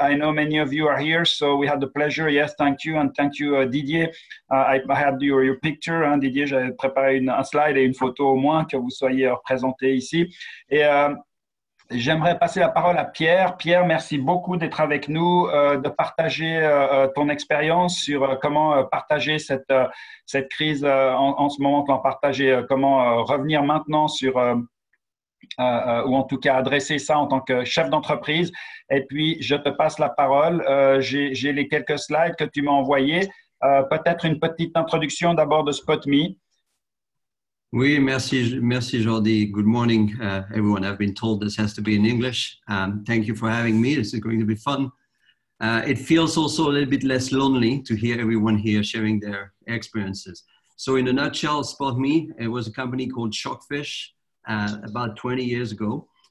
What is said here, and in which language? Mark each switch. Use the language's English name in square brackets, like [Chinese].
[English] I know many of you are here, so we had the pleasure. Yes, thank you. And thank you, Didier. I had your pick. [French] Didier, j'avais préparé un slide et une photo au moins que vous soyez représenté ici. Et j'aimerais passer la parole à Pierre. Pierre, merci beaucoup d'être avec nous, de partager ton expérience sur comment partager cette crise en ce moment, partager comment revenir maintenant sur ou en tout cas adresser ça en tant que chef d'entreprise. Et puis, je te passe la parole. J'ai les quelques slides que tu m'as envoyés. Peut-être une petite introduction d'abord de SpotMe. Oui, merci [English] Jordi. Good morning, everyone. I've been told this has to be in English. Thank you for having me. This is going to be fun. It feels also a little bit less lonely to hear everyone here sharing their experiences. So in a nutshell, SpotMe, it was a company called Shockfish about 20 years ago.